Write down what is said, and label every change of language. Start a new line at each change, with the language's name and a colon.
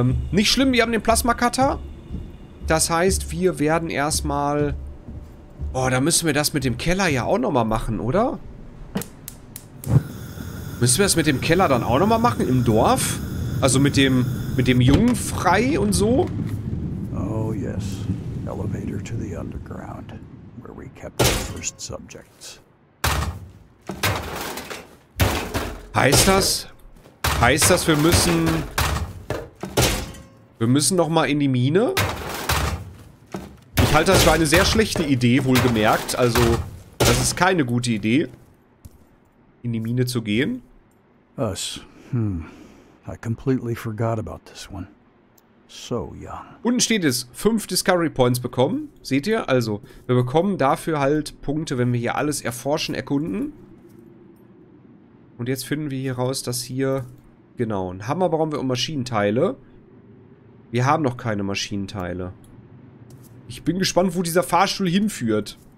German: Nicht schlimm, wir haben den Plasma-Cutter. Das heißt, wir werden erstmal... Boah, da müssen wir das mit dem Keller ja auch nochmal machen, oder? Müssen wir das mit dem Keller dann auch nochmal machen im Dorf? Also mit dem Jungen frei und so?
English: Oh yes. Elevator to the underground, where we kept our first subjects.
German: Heißt das? Heißt das, wir müssen... Wir müssen nochmal in die Mine? Ich halte das für eine sehr schlechte Idee, wohlgemerkt. Also, das ist keine gute Idee, in die Mine zu gehen.
English: Us. Hm. I completely forgot about this one. So young.
German: Unten steht es, 5 Discovery Points bekommen. Seht ihr? Also, wir bekommen dafür halt Punkte, wenn wir hier alles erforschen, erkunden. Und jetzt finden wir hier raus, dass hier... Genau, einen Hammer brauchen wir um Maschinenteile. Wir haben noch keine Maschinenteile. Ich bin gespannt, wo dieser Fahrstuhl hinführt.